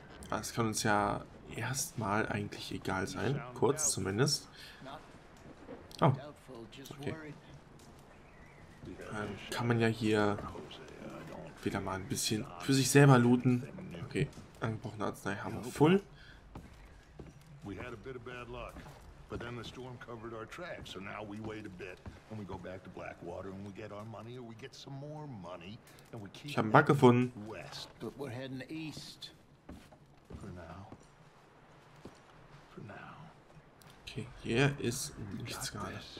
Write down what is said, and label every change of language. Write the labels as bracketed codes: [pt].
[de] Das kann uns ja erstmal eigentlich egal sein, kurz zumindest. Oh, okay. Dann kann man ja hier wieder mal ein bisschen für sich selber looten. Okay, angebrochene Arznei haben wir voll. [en] We had a bit of bad luck, but then the storm covered our tracks, so now we wait a bit and we go back to Blackwater and we get our money or we get some more money and we keep. [de] Ich habe einen Bug gefunden. [en] But we're heading east. For now. [de] Okay, hier ist nichts gerade.